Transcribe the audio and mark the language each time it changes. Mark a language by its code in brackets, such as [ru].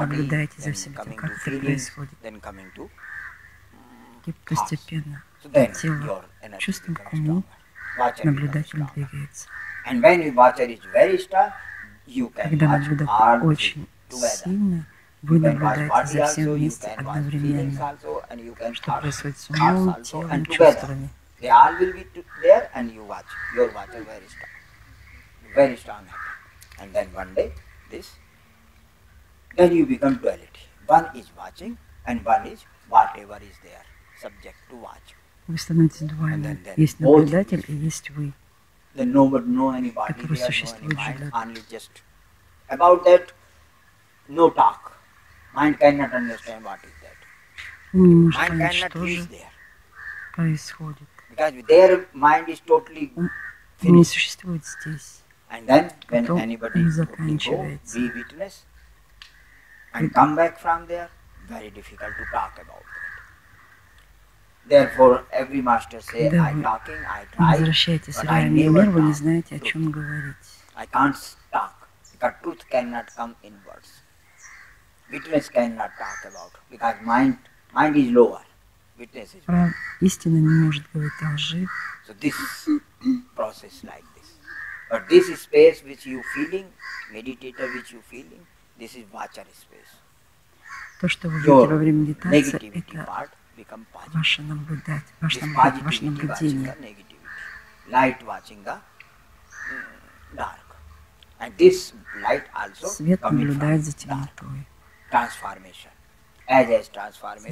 [ru] наблюдаете за всем этим, как это происходит. [en] Then coming to [ru] и постепенно тело чувством к уму наблюдатель двигается. [en] And when your watcher is very strong, you can [ru] когда наблюдатель очень сильно, вы наблюдаете за всем вместе одновременно, что происходит с умом, телом, чувствами. [en] They all will be there and you watch. Your watcher very strong. Very strong. And then one day, this, then you become duality. One is watching, and one is whatever is there, subject to watch. [ru] Вы становитесь двойным. Есть наблюдатель и есть вы. [en] Then nobody know anybody, there is no mind, only just about that, no talk. Mind cannot understand what is that. [ru] Мы не можем понять, что же происходит. [en] Because their mind is totally finished. [ru] Не существует здесь. [en] And then, when anybody go, be witness, and come back from there, very difficult to talk about that. Therefore, every master say, I'm talking, I try, but I never talk. I can't talk, because truth cannot come in words. Witness cannot talk about, because mind is lower. Witness is lower. [ru] Истина не может говорить о лжи. [en] So this process like this. But this is space which you feeling, meditator which you feeling, this is watcher space. [ru] То, что вы видите во время медитации, это ваше наблюдать, ваше наблюдение. [en] Light watching the dark. And this light also [ru] свет наблюдает за темнотой. [en] Transformation. As transformation.